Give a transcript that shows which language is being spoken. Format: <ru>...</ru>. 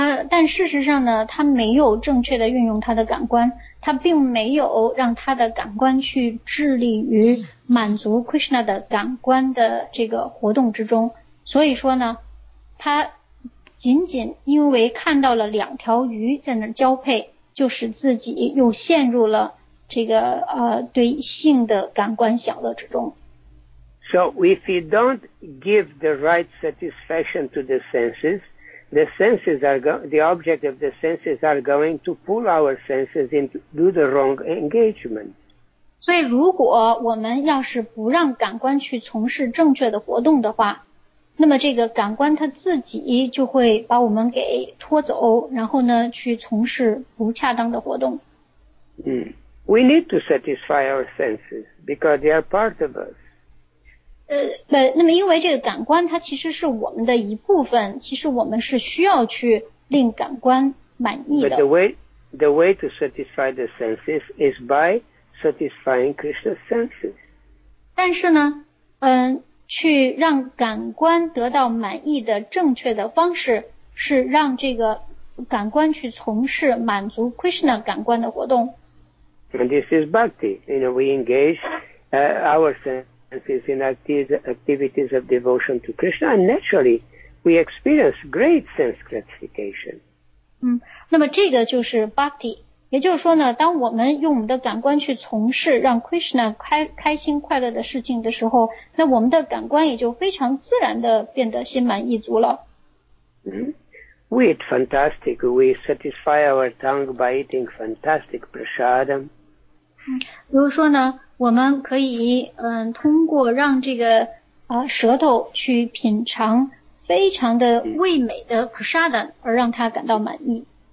<zh>但事实上呢，他没有正确的运用他的感官，他并没有让他的感官去致力于满足 Krishna 的感官的这个活动之中。所以说呢。他仅仅因为看到了两条鱼在那交配，就使自己又陷入了这个对性的感官享乐之中。</zh> <en>So if you don't give the right satisfaction to the senses, the senses are the object of the senses are going to pull our senses into the wrong engagement.</en> <zh>所以如果我们要是不让感官去从事正确的活动的话，那么这个感官它自己就会把我们给拖走，然后呢去从事不恰当的活动。</zh> <en>We need to satisfy our senses because they are part of us.</en> <zh>那么因为这个感官它其实是我们的一部分，其实我们是需要去令感官满意的。</zh> <en>But the way to satisfy the senses is by satisfying Krishna's senses.</en> <zh>但是呢，去让感官得到满意的正确的方式是让这个感官去从事满足 Krishna 感官的活动。</zh> <en>And this is bhakti. You know, we engage our senses in activities of devotion to Krishna, and naturally, we experience great sense gratification.</en> <zh>那么这个就是 bhakti. 也就是说呢，当我们用我们的感官去从事让 Krishna 开心快乐的事情的时候，那我们的感官也就非常自然的变得心满意足了。</zh> <en>We eat fantastic. We satisfy our tongue by eating fantastic prasadam.</en> <zh>比如说呢，我们可以通过让这个舌头去品尝非常的味美的 prasadam 而让它感到满意。</zh>